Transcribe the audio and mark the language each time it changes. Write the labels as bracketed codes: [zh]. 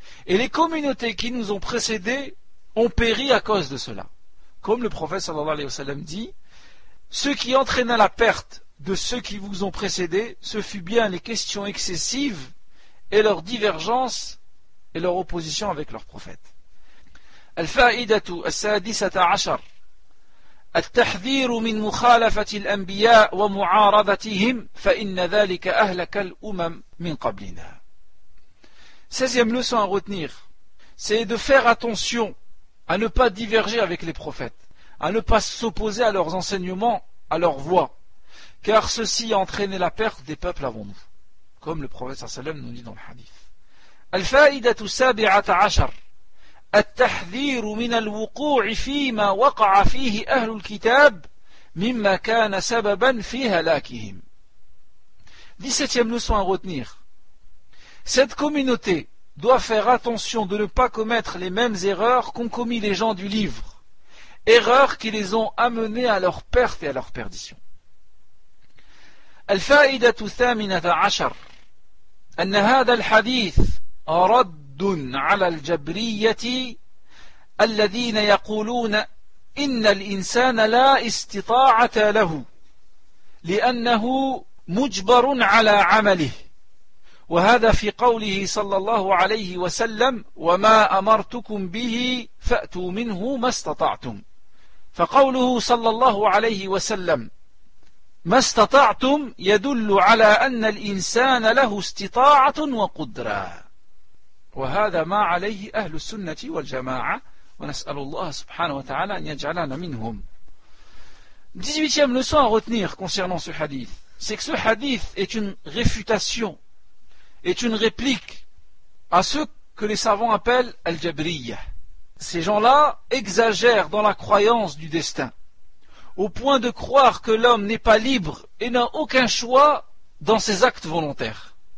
[fr] Et les communautés qui nous ont précédés ont péri à cause de cela. Comme le prophète sallallahu alayhi wa sallam dit, ce qui entraîna la perte de ceux qui vous ont précédés, ce fut bien les questions excessives et leur divergence et leur opposition avec leur prophète. [ar] Al-fa'idatu al-sadisata ashar. التحذير من مخالفة الأنبياء ومعارضتهم فإن ذلك أهلك الأمم من قبلنا. [fr] 16e leçon à retenir, c'est de faire attention à ne pas diverger avec les prophètes, à ne pas s'opposer à leurs enseignements, à leurs voies, car ceci a entraîné la perte des peuples avant nous, comme le prophète sallam nous dit dans le hadith. [ar] الفائدة السابعة عشر التحذير من الوقوع فيما وقع فيه أهل الكتاب مما كان سببا في هلاكهم. [fr] 17e leçon à retenir. Cette communauté doit faire attention de ne pas commettre les mêmes erreurs qu'ont commis les gens du livre, erreurs qui les ont amenés à leur perte et à leur perdition. [ar] الفائدة الثامنة عشر أن هذا الحديث رد على الجبرية الذين يقولون إن الإنسان لا استطاعة له لأنه مجبر على عمله، وهذا في قوله صلى الله عليه وسلم: وما أمرتكم به فأتوا منه ما استطعتم. فقوله صلى الله عليه وسلم ما استطعتم يدل على أن الإنسان له استطاعة وقدرة، وهذا ما عليه أهل السنة والجماعة، ونسأل الله سبحانه وتعالى أن يجعلنا منهم. [fr] 18e leçon à retenir concernant ce hadith, c'est que ce hadith est une réfutation, est une réplique à ce que les savants appellent al-jabriya. Ces gens-là exagèrent dans la croyance du destin, au point de croire que l'homme n'est pas libre et n'a aucun choix dans ses actes volontaires.